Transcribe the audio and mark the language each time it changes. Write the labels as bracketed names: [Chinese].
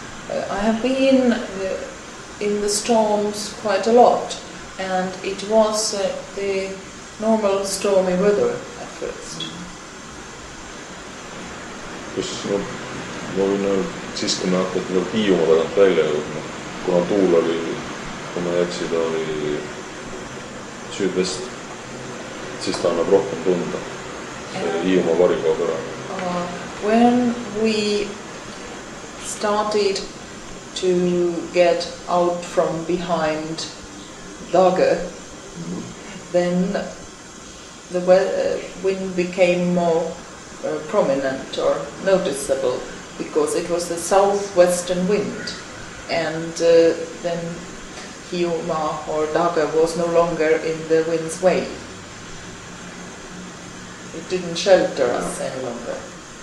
[English] I have been in the storms quite a lot, and it was the normal stormy weather at first. [Estonian] Siis kui me hakkasime piiuma tagant välja jõudma, kuna tuul oli, kui me jätsid, oli süüdvest, siis ta annab rohkem tunda Hiiuma varikoha kõrval. [English] When we started to get out from behind Dagr, then the wind became more prominent or noticeable because it was the southwestern wind, and then Hiiuma or Dagr was no longer in the wind's way. It didn't shelter us any longer.